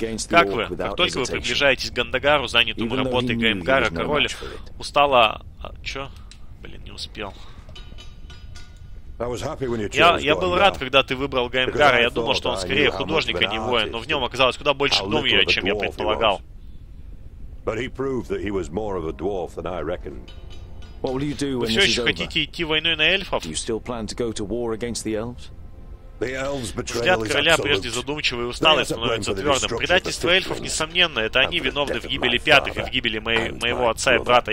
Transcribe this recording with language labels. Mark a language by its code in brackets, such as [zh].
[ru] Как вы? Как только вы приближаетесь к Гандагару, занятому работой Гаймгара, король устала... Чё? Блин, не успел. Я был рад, когда ты выбрал Гаймгара. Я думал, что он скорее художник, а не воин. Но в нем оказалось куда больше думья, чем я предполагал. [en] But he proved that he was more of a dwarf than I reckoned. What will you do when this is over? [ru] Вы все еще хотите идти войной на эльфов? [en] Do you still plan to go to war against the elves? The elves' betrayal is absolute. [ru] Взгляд короля, прежде задумчивый и усталый, становится твердым. Предательство эльфов несомненно. Это они виновны в гибели пятых и в гибели моего отца и брата.